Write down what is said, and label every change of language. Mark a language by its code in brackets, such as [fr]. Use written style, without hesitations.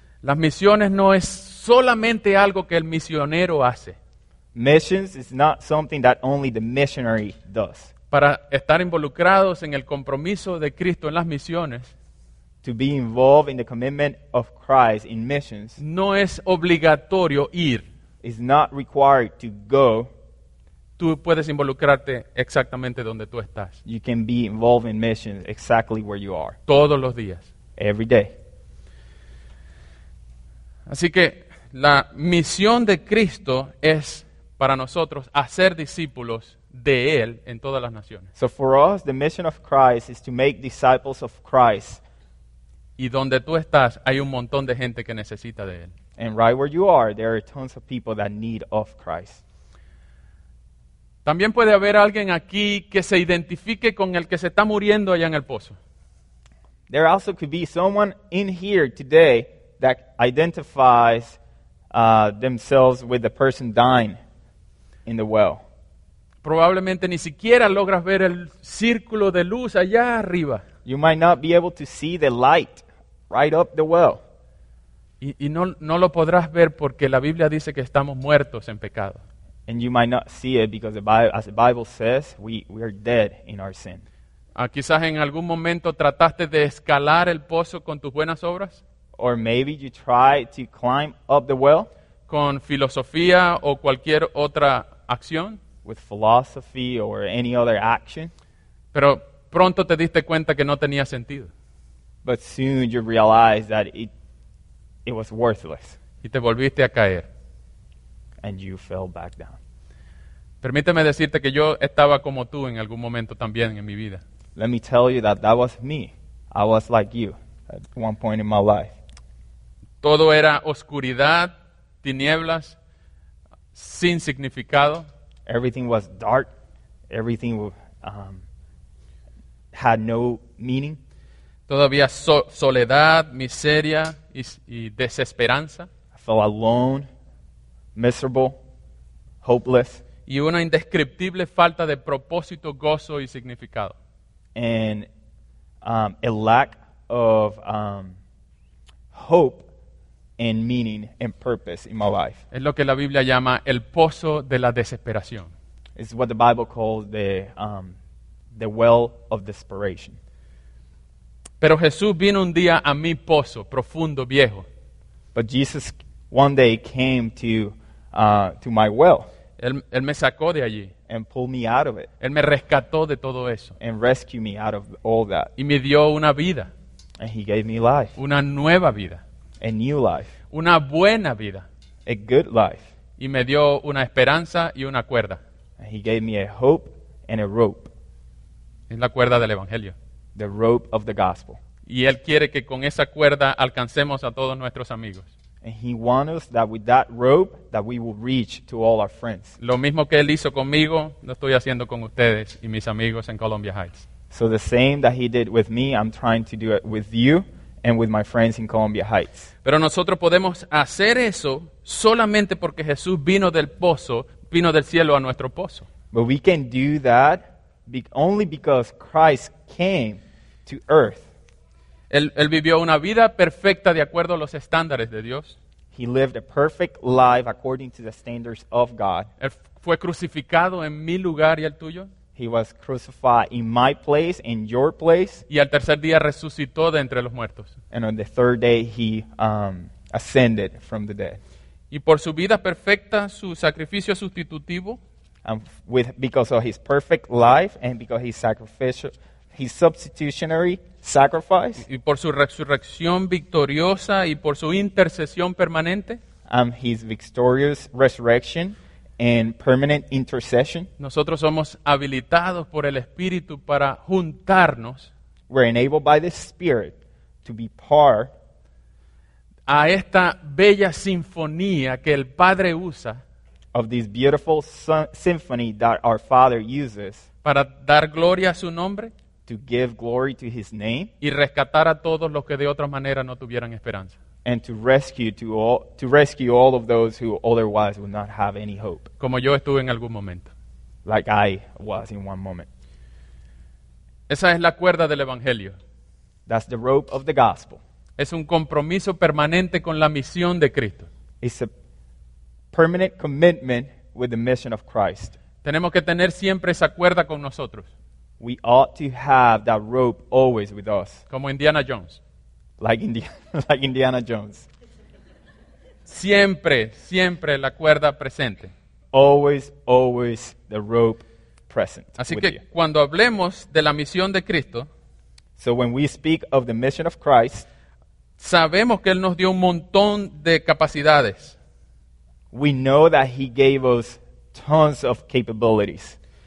[es] Las misiones no es solamente algo que el misionero hace. [en] Missions is not something that only the missionary does. [es] Para estar involucrados en el compromiso de Cristo en las misiones, [en] to be involved in the commitment of Christ in missions, [es] no es obligatorio ir. [en] It's not required to go. [es] Tú puedes involucrarte exactamente donde tú estás. [en] You can be involved in missions exactly where you are. [es] Todos los días. [en] Every day. [es] Así que la misión de Cristo es para nosotros hacer discípulos de él en todas las naciones. [en] So for us, the mission of Christ is to make disciples of Christ. [es] Y donde tú estás, hay un montón de gente que necesita de él. [en] And right where you are, there are tons of people that need of Christ. [es] También puede haber alguien aquí que se identifique con el que se está muriendo allá en el pozo. [en] There also could be someone in here today that identifies themselves with the person dying in the well. [es] Probablemente ni siquiera logras ver el círculo de luz allá arriba. [en] You might not be able to see the light right up the well. [es] Y no lo podrás ver porque la Biblia dice que estamos muertos en pecado. [en] And you might not see it because as the Bible says, we are dead in our sin. [es] Quizás en algún momento trataste de escalar el pozo con tus buenas obras. [en] Or maybe you tried to climb up the well. [es] Con filosofía o cualquier otra acción. [en] With philosophy or any other action. [es] Pero pronto te diste cuenta que no tenía sentido. [en] But soon you realize that it was worthless. [es] Y te volviste a caer. [en] And you fell back down. [es] Permíteme decirte que yo estaba como tú en algún momento también en mi vida. [en] Let me tell you that was me. I was like you at one point in my life. [es] Todo era oscuridad, tinieblas, sin significado. [en] Everything was dark. Everything had no meaning. [es] Todavía soledad, miseria y desesperanza. [en] I felt alone, miserable, hopeless. [es] Y una indescriptible falta de propósito, gozo y significado. [en] And a lack of hope and meaning and purpose in my life. [es] Es lo que la Biblia llama el pozo de la desesperación. [en] It's what the Bible calls the well of desperation. [es] Pero Jesús vino un día a mi pozo profundo, viejo. [en] But Jesus one day came to my well. [es] Él me sacó de allí. [en] And pulled me out of it. [es] Él me rescató de todo eso. [en] And rescued me out of all that. [es] Y me dio una vida. [en] And he gave me life. [es] Una nueva vida. [en] A new life. [es] Una buena vida. [en] A good life. [es] Y me dio una esperanza y una cuerda. [en] And he gave me a hope and a rope. [es] Es la cuerda del evangelio. [en] The rope of the gospel. [es] Y él quiere que con esa cuerda alcancemos a todos nuestros amigos. [en] And he wants us that with that rope that we will reach to all our friends. [es] Lo mismo que él hizo conmigo, lo estoy haciendo con ustedes y mis amigos en Columbia Heights. [en] So the same that he did with me, I'm trying to do it with you and with my friends in Columbia Heights. [es] Pero nosotros podemos hacer eso solamente porque Jesús vino del pozo, vino del cielo a nuestro pozo. [en] But we can do that only because Christ came to earth. [es] Él vivió una vida perfecta de acuerdo a los estándares de Dios. [en] He lived a perfect life according to the standards of God. [es] Él fue crucificado en mi lugar y el tuyo. [en] He was crucified in my place, in your place. [es] Y al tercer día resucitó de entre los muertos. [en] And on the third day he ascended from the dead. [es] Y por su vida perfecta, su sacrificio sustitutivo. [en] Because of his perfect life and because his sacrificial, his substitutionary sacrifice. [es] Y por su resurrección victoriosa y por su intercesión permanente. [en] His victorious resurrection and permanent intercession. [es] Nosotros somos habilitados por el Espíritu para juntarnos. [en] We're enabled by the Spirit to be part. [es] A esta bella sinfonía que el Padre usa. [en] Of this beautiful symphony that our Father uses. [es] Para dar gloria a su nombre. [en] To give glory to his name. [es] Y rescatar a todos los que de otra manera no tuvieran esperanza. [en] And to rescue all of those who otherwise would not have any hope. [es] Como yo estuve en algún momento. [en] Like I was in one moment. [es] Esa es la cuerda del evangelio. [en] That's the rope of the gospel. [es] Es un compromiso permanente con la misión de Cristo. [en] It's a permanent commitment with the mission of Christ. [es] Tenemos que tener siempre esa cuerda con nosotros. [en] We ought to have that rope always with us. [es] Como Indiana Jones. [en] Like Indiana Jones. [es] Siempre, siempre la cuerda presente. [en] Always, always the rope present. [es] Así que cuando hablemos de la misión de Cristo. [en] So when we speak of the mission of Christ. [es] Sabemos que Él nos dio un montón de capacidades. [en] We know that He gave us tons of capabilities.